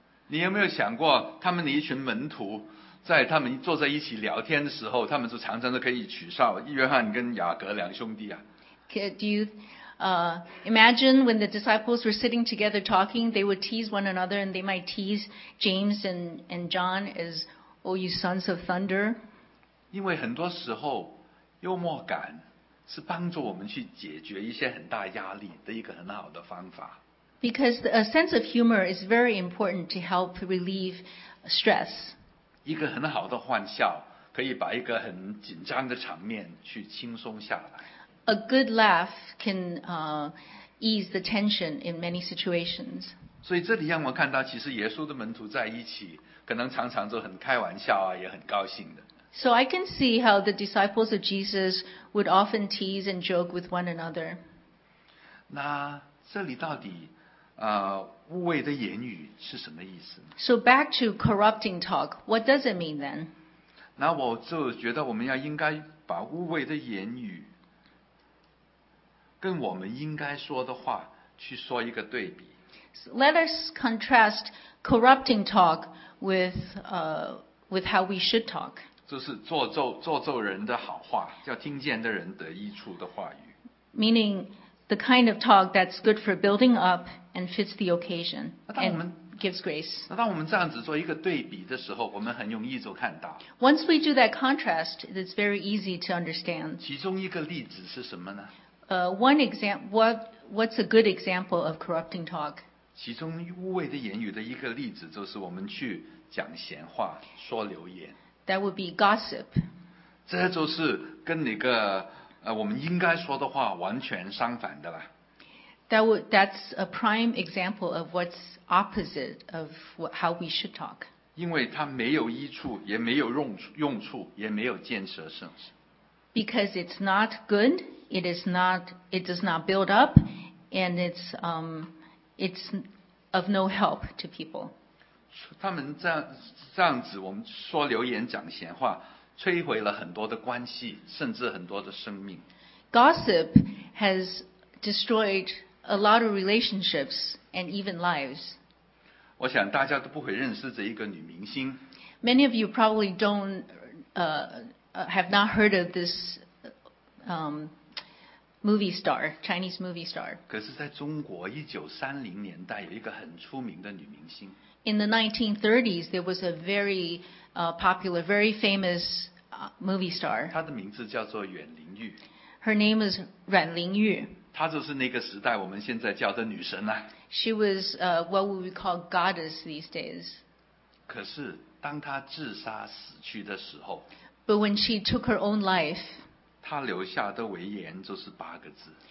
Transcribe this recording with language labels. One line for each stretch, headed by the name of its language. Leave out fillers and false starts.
Chinese: 你有没有想过，他们的一群门徒在他们坐在一起聊天的时候，他们就常常都可以取笑约翰跟雅各两兄弟啊。
English: Do you Imagine when the disciples were sitting together talking, they would tease one another, and they might tease James and John as, "Oh, you sons of thunder."
Chinese: 因为很多时候，幽默感是帮助我们去解决一些很大压力的一个很好的方法。
English: Because a sense of humor is very important to help relieve stress.
Chinese: 一个很好的欢笑可以把一个很紧张的场面去轻松下来。
English: A good laugh can ease the tension in many situations.
Chinese: 所以这里让我看到，其实耶稣的门徒在一起，可能常常都很开玩笑啊，也很高兴的。
English: So I can see how the disciples of Jesus would often tease and joke with one another.
Chinese: 那这里到底污秽的言语是什么意思呢？
English: So back to corrupting talk, what does it mean then?
Chinese: 那我就觉得我们要应该把污秽的言语跟我们应该说的话去说一个对比。
English: So let us contrast corrupting talk with how we should talk.
Chinese: 就是做咒人的好话，叫听见的人得益处的话语。
English: Meaning the kind of talk that's good for building up and fits the occasion and gives grace.
Chinese: 那当我们这样子做一个对比的时候，我们很容易就看到。
English: Once we do that contrast, it's very easy to understand.
Chinese: 其中一个例子是什么呢？
English: What's a good example of corrupting talk?
Chinese: 其中污秽的言语的一个例子就是我们去讲闲话，说流言。
English: That would be gossip.
Chinese: 这就是跟那个我们应该说的话完全相反的啦。
English: That's a prime example of what's opposite of how we should talk.
Chinese: 因为它没有益处，也没有用处，也没有建设性。
English: Because it's not good, it does not build up, and it's of no help to people.
Chinese: 他们这样子，我们说流言、讲闲话，摧毁了很多的关系，甚至很多的生命。
English: Gossip has destroyed a lot of relationships and even lives.
Chinese: 我想大家都不会认识这一个女明星。
English: Many of you probably don't have not heard of this movie star, Chinese movie star.
Chinese: 可是在中国1930年代有一个很出名的女明星。
English: In the 1930s, there was a very popular, very famous movie star.
Chinese: 她的名字叫做阮玲玉。
English: Her name is 阮玲玉。
Chinese: 她就是那个时代我们现在叫的女神啊。
English: She was what would we call goddess these days.
Chinese: 可是当她自杀死去的时候，
English: But when she took her own life,
Chinese: 她留下的遗言就是八个字。